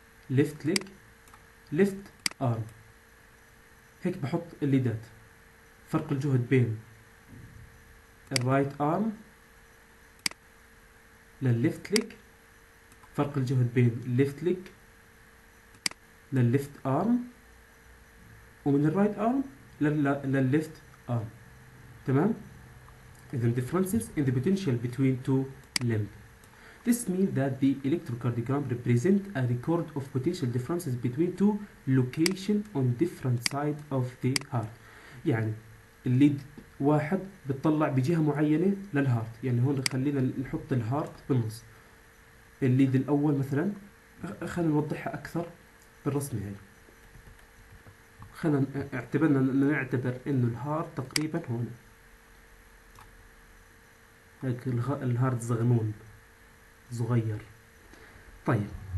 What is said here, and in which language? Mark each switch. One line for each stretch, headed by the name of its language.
Arabic: ليفت ليج ليفت ارم، هيك بحط الليدات، فرق الجهد بين الرايت ارم للليفت ليج، فرق الجهد بين ليفت ليج للليفت ارم، ومن الرايت ارم للليفت ارم، تمام؟ اذا
English: differences in the potential between two limb. This means that the electrocardiogram represent a record of potential differences between two location on different side of the heart.
Arabic: يعني الليد واحد بتطلع بجهة معينة للهارت، يعني هون خلينا نحط الهارت بالنص. الليد الأول مثلا، خلينا نوضحها أكثر بالرسمة هاي. خلينا نعتبر انه الهارت تقريبا هون، هيك الهارت زغنون صغير. طيب